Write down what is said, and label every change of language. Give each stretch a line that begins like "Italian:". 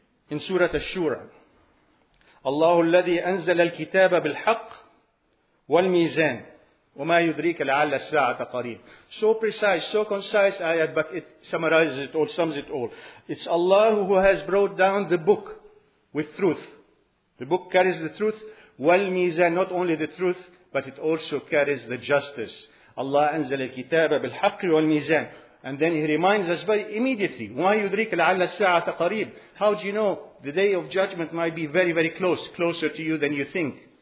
English: In Surah Ash-Shura,
Arabic: Allahu alladhi anzala al-kitaba bil-haqq والميزان وما يدريك لعل الساعة قريب.
English: So precise, so concise ayat, but it summarizes it all, sums it all. It's Allah who has brought down the book with truth. The book carries the truth. والميزان, not only the truth, but it also carries the justice.
Arabic: Allah أنزل الكتاب بالحق والميزان.
English: And then He reminds us very immediately,
Arabic: وما يدريك لعل الساعة قريب.
English: How do you know? The day of judgment might be very, very close, closer to you than you think.